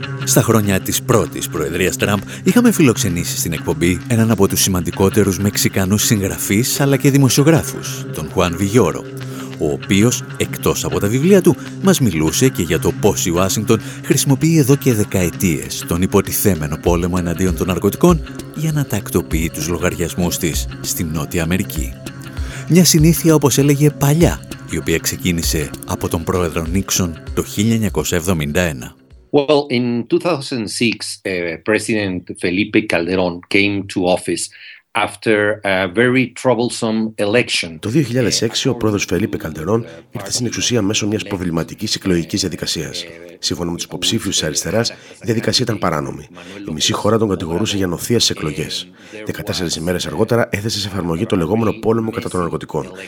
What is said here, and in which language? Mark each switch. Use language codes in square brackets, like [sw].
[el] Στα χρόνια της πρώτης προεδρίας Τραμπ, είχαμε φιλοξενήσει στην εκπομπή έναν από τους σημαντικότερους Μεξικανούς συγγραφείς αλλά και δημοσιογράφους, τον Χουάν Βιγιόρο, ο οποίος, εκτός από τα βιβλία του, μας μιλούσε και για το πώς η Ουάσιγκτον χρησιμοποιεί εδώ και δεκαετίες τον υποτιθέμενο πόλεμο εναντίον των ναρκωτικών για να τακτοποιεί τους λογαριασμούς της στη Νότια Αμερική. Μια συνήθεια, όπως έλεγε παλιά, η οποία ξεκίνησε από τον πρόεδρο Νίξον το 1971. [en] Well, in 2006, President Felipe Calderón came to office after a very troublesome election. [el] Το 2006, ο πρόεδρος Φελίπε Καλντερόν ήρθε στην εξουσία μέσω μιας προβληματικής εκλογικής διαδικασίας. Σύμφωνα με τους υποψήφιους της αριστεράς, η διαδικασία ήταν παράνομη. Η μισή χώρα τον κατηγορούσε για νοθεία στις εκλογές. 14 ημέρες αργότερα έθεσε σε εφαρμογή το λεγόμενο πόλεμο κατά των ναρκωτικών.